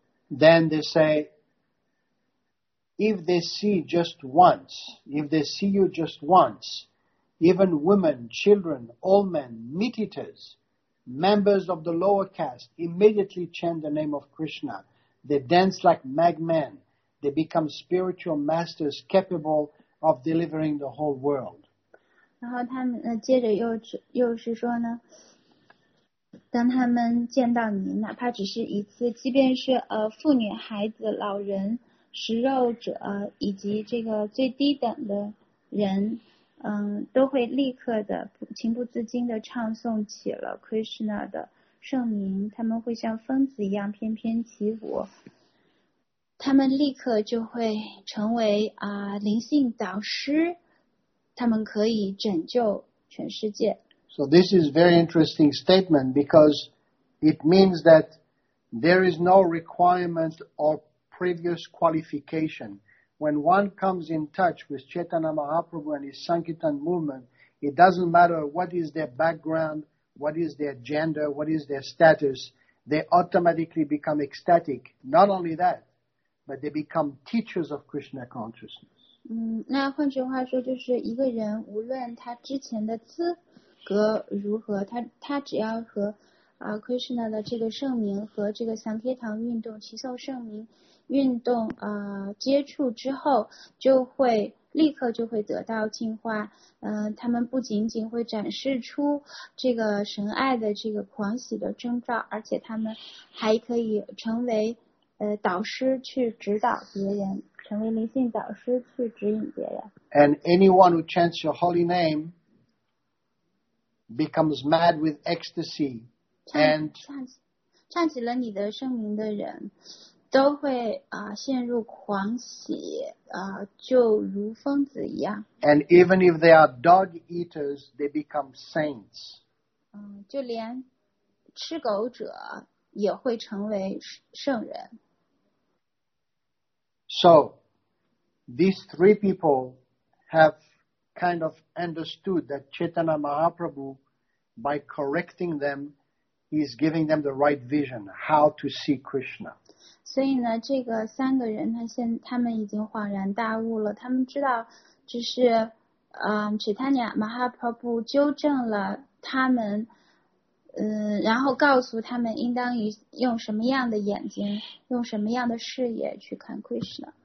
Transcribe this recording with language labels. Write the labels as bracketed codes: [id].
[en] Then they say, if they see just once, if they see you just once, even women, children, old men, meat eaters. Members of the lower caste immediately chant the name of Krishna. They dance like madmen. They become spiritual masters capable of delivering the whole world. [zh] 然后他们接着又是说呢，当他们见到你，哪怕只是一次，即便是妇女、孩子、老人、食肉者以及这个最低等的人。都会立刻的情不自禁的唱诵起了 Krishna 的圣名，他们会像疯子一样翩翩起舞，他们立刻就会成为灵性导师，他们可以拯救全世界。 [en] So this is very interesting statement because it means that there is no requirement or previous qualification. When one comes in touch with Chaitanya Mahaprabhu and his Sankirtan movement, it doesn't matter what is their background, what is their gender, what is their status, they automatically become ecstatic. Not only that, but they become teachers of Krishna consciousness. [zh] 那换句话说就是一个人无论他之前的资格如何，他只要和Krishna 的这个圣名和这个三铁堂运动齐受圣名运动接触之后，就会立刻就会得到净化。他们不仅仅会展示出这个神爱的这个狂喜的征兆，而且他们还可以成为导师去指导别人，成为灵性导师去指引别人。 [en] And anyone who chants your holy name becomes mad with ecstasy and [zh] 唱起了你的圣名的人都会陷入狂喜就如疯子一样。 [en] And even if they are dog eaters, they become saints. [zh] 就连吃狗者也会成为圣人。 [en] So, these three people have kind of understood that Chaitanya Mahaprabhu, by correcting them, he is giving them the right vision, how to see Krishna. [zh] 所以呢，这个三个人他们已经恍然大悟了，他们知道就是Chaitanya Mahaprabhu 纠正了他们然后告诉他们应当用什么样的眼睛，用什么样的视野去看 Krishna。